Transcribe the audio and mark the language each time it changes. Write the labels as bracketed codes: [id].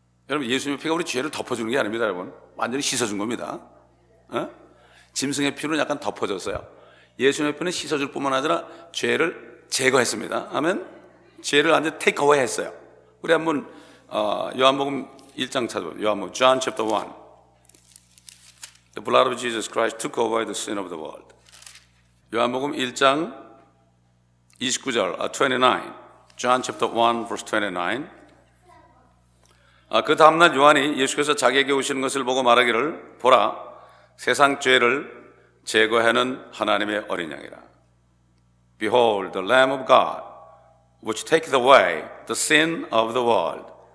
[ko] 여러분, 예수님의 피가 우리 죄를 덮어주는 게 아닙니다, 여러분. 완전히 씻어준 겁니다. 어? 짐승의 피로 약간 덮어줬어요. 예수님의 피는 씻어줄 뿐만 아니라 죄를 제거했습니다. 아멘? 죄를 완전 테이크어웨이 했어요. 우리 한번 요한복음 1장 찾아보세요. 요한복음 [en] John chapter 1. The blood of Jesus Christ took away the sin of the world. [ko] 요한복음 1장 29절, 29. [en] John chapter 1 verse 29. [ko] 그 다음날 요한이 예수께서 자기에게 오시는 것을 보고 말하기를 보라, 세상 죄를 제거하는 하나님의 어린 양이라. [en] Behold, the Lamb of God, which takes away the sin of the world.